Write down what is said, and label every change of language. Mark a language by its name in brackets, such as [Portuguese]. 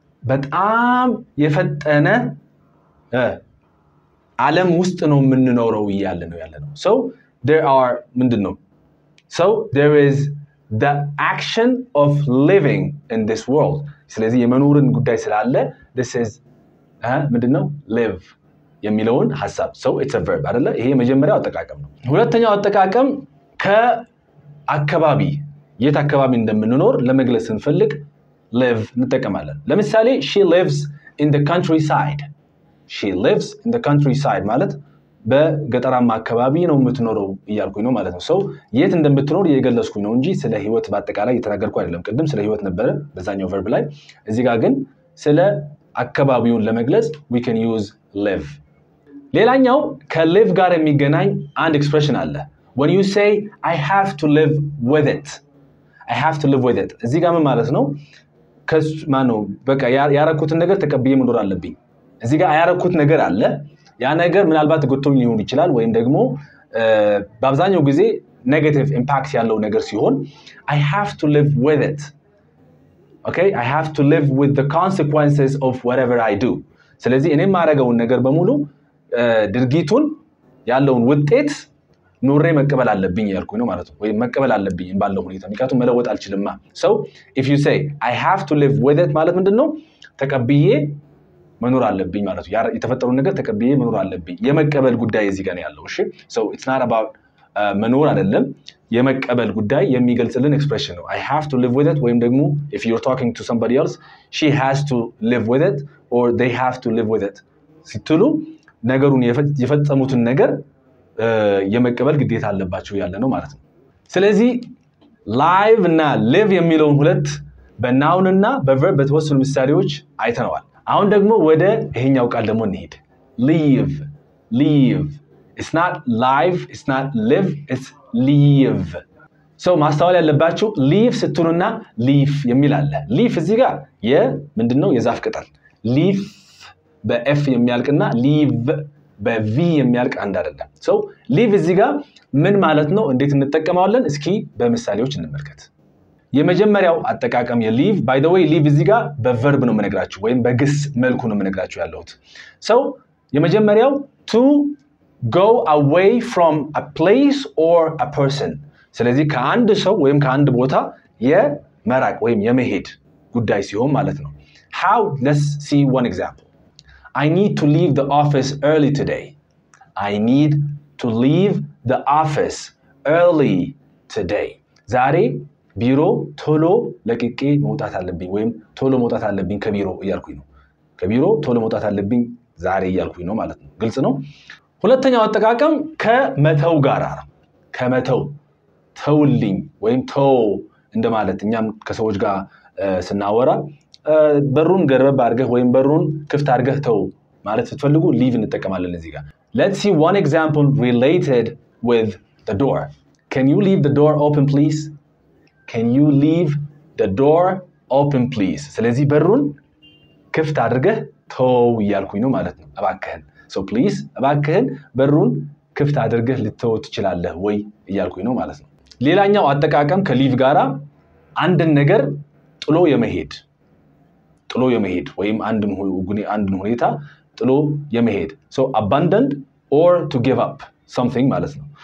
[Amharic] በጣም የፈጠነ ዓለም ውስጥ ነው የምንኖረው ያለነው። [English] so there are [Amharic] ምንድነው? [English] so there is the action of living in this world. [Amharic] ስለዚህ የመኖርን ጉዳይ ስላለ [English] this is [Amharic] ምንድነው? live የሚለውን ሐሳብ. [English] so it's a verb አይደለ? [Amharic] ይሄ የመጀመሪያው አጠቃቀም ነው። ሁለተኛው አጠቃቀም ከአከባቢ የት አከባቢ እንደምንኖር ለመግለጽ እንፈልግ live እንጠቀማለን። ለምሳሌ [English] she lives in the countryside. she lives in the countryside [Amharic] ማለት በገጠራማ አካባቢ ነው የምትኖረው ይያልኩኝ ነው ማለት ነው። ሰው የት እንደምትኖር የገለጽኩኝ ነው እንጂ ስለ ህይወት በአጠቃላይ የተናገርኩ አይደለም። ቀደም ስለ ህይወት ነበር በዛኛው verb ላይ። እዚህ ጋር ግን ስለ አካባቢውን ለመግለጽ [English] we can use live. [Amharic] ሌላኛው ከlive ጋር የሚገናኝ አንድ expression አለ። [English] when you say i have to live with it [Amharic] እዚህ ጋር ምን ማለት ነው? ማነው በቃ ያረኩትን ነገር ተቀብዬ መኖር አለብኝ። እዚህ ጋር ያረኩት ነገር አለ። ያ ነገር ምናልባት ጉቶኝ ሊሆን ይችላል ወይም ደግሞ በአብዛኛው ጊዜ ኔጌቲቭ ኢምፓክት ያለው ነገር ሲሆን [English] i have to live with it. okay, i have to live with the consequences of whatever i do. [Amharic] ስለዚህ እኔ ማረገው ነገር በሙሉ ድርጊቱን ያለውን ውጤት ኑሬ መቀበል አለብኝ ያልኩኝ ነው ማለት ነው። ወይ መቀበል አለብኝ ባለው ሁኔታ ምክንያቱ መለወጥ አልችልማ። [English] so if you say i have to live with it [Amharic] ማለት ምንድነው? ተቀብዬ መኖር አለብኝ ማለት ነው። የተፈጠረው ነገር ተቀብዬ መኖር አለብኝ የመቀበል ጉዳይ እዚህ ጋር ያለው። እሺ [English] so it's not about [Amharic] መኖር አይደለም የመቀበል ጉዳይ የሚገልጽልን expression ነው። [English] i have to live with it [Amharic] ወይም ደግሞ [English] if you're talking to somebody else she has to live with it [Amharic] or they have to live with it ስትሉ ነገሩን የፈጸሙትን ነገር የመቀበል ግዴታ አለባችሁ ያለ ነው ማለት ነው። ስለዚህ live እና live የሚለውን ሁለት በnoun እና በverb በተወሰኑ ምሳሌዎች አይተነዋል። አሁን ደግሞ ወደ ይሄኛው ቃል ደግሞ እንሄድ። live [English] It's not live, it's not live, it's leave. [Amharic] So ማስተዋል ያለባችሁ leave ስትሉና leave የሚል አለ. Leave እዚህ ጋር የ ምንድነው የዛፍ ቅጠል. Leave በf የሚያልቅና leave በv የሚያልቅ አንድ አይደለም. So leave እዚህ ጋር ምን ማለት ነው እንዴት እንጠቀማለን እስኪ በምሳሌዎች እንመልከት. የመጀመሪያው አጠቃቀም የ leave [English] by the way [Amharic] leave እዚህ ጋር በverb ነው መነግራችሁ ወይም በግስ መልኩ ነው መነግራችሁ ያለሁት. [English] So የመጀመሪያው to go away from a place or a person. [Amharic] ስለዚህ ከአንድ ሰው ወይም ከአንድ ቦታ የመራቅ ወይም የመሄድ ጉዳይ ሲሆን ማለት ነው. [English] How, let's see one example. I need to leave the office early today. I need to leave the office early today. [Amharic] ዛሬ ቢሮ ቶሎ ለቅቄ መውጣት አለብኝ ወይም ቶሎ መውጣት አለብኝ ከቢሮ እያልኩኝ ነው. ከቢሮ ቶሎ መውጣት አለብኝ ዛሬ እያልኩኝ ነው ማለት ነው. ግልጽ ነው? ሁለተኛው አጠቃቀም ከመተው ጋር አራ ከመተው ተውልኝ ወይም ተው እንደማለት እኛም ከሰዎች ጋር ስናወራ በሩን ገርበብ አድርገህ ወይም በሩን ክፍት አድርገህ ተው ማለት ስትፈልጉ ሊቭ እንጠቀማለን እዚህ ጋር. [English] Let's see one example related with the door. Can you leave the door open please? Can you leave the door open please? [Amharic] ስለዚህ በሩን ክፍት አድርገህ ተው ይያልኩኝ ነው ማለት ነው አባከህን. [English] So please [Amharic] አባከህን በሩን ክፍት አድርገህ ልትተው ትችላለህ ወይ ይያልኩኝ ነው ማለት ነው. ሌላኛው አጠቃቀም ከሊቭ ጋራ አንድን ነገር ጥሎ የመሄድ ጥሎ የመሄድ ወይም አንድን ሁኔታ አንድን ሁኔታ ጥሎ የመሄድ. [English] So abandoned or to give up something [Amharic] ማለት ነው.